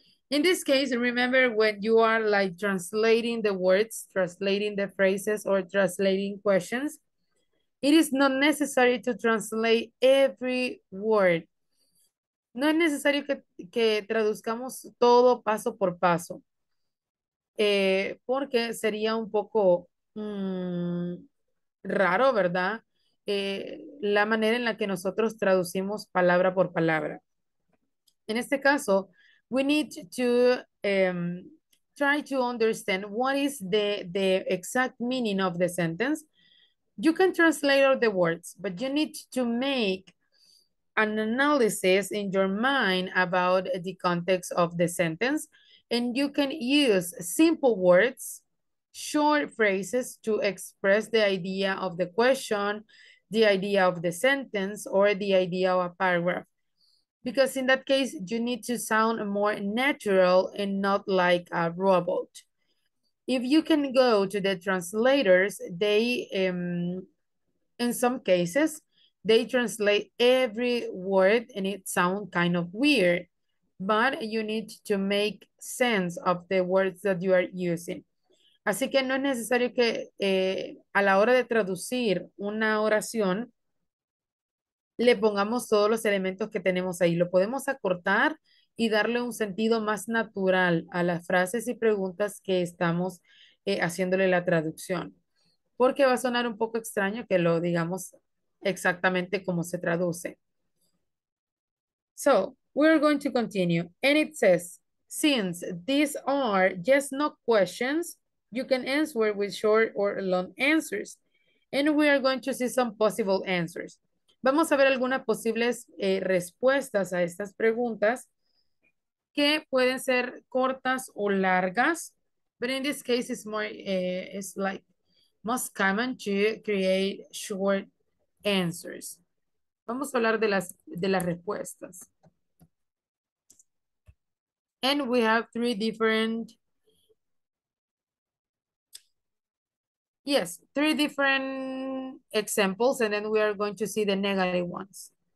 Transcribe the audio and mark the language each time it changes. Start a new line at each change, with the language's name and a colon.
English: In this case, remember when you are like translating the words, translating the phrases, or translating questions, it is not necessary to translate every word.
Spanish: No es necesario que traduzcamos todo paso por paso, porque sería un poco raro, ¿verdad? La manera en la que nosotros traducimos palabra por palabra. En este caso,
English: we need to try to understand what is the exact meaning of the sentence. You can translate all the words, but you need to make an analysis in your mind about the context of the sentence, and you can use simple words, short phrases to express the idea of the question, the idea of the sentence, or the idea of a paragraph. Because in that case, you need to sound more natural and not like a robot. If you can go to the translators, they, in some cases, they translate every word and it sounds kind of weird, but you need to make sense of the words that you are using.
Spanish: Así que no es necesario que a la hora de traducir una oración, le pongamos todos los elementos que tenemos ahí. Lo podemos acortar y darle un sentido más natural a las frases y preguntas que estamos haciéndole la traducción. Porque va a sonar un poco extraño que lo digamos exactamente como se traduce.
English: So, we're going to continue. And it says, since these are just no questions, you can answer with short or long answers. And we are going to see some possible answers.
Spanish: Vamos a ver algunas posibles respuestas a estas preguntas que pueden ser cortas o largas.
English: But in this case, it's more, it's like most common to create short answers.
Spanish: Vamos a hablar de las respuestas.
English: And we have three different, yes, three different examples, and then we are going to see the negative ones.